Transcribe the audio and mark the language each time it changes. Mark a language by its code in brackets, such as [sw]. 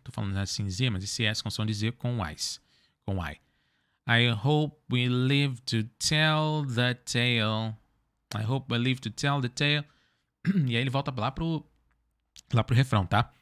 [pt] Tô falando assim Z, mas esse S com som de Z com as, com I. [en] I hope we live to tell the tale. I hope we live to tell the tale. [pt] E aí ele volta lá pro refrão, tá?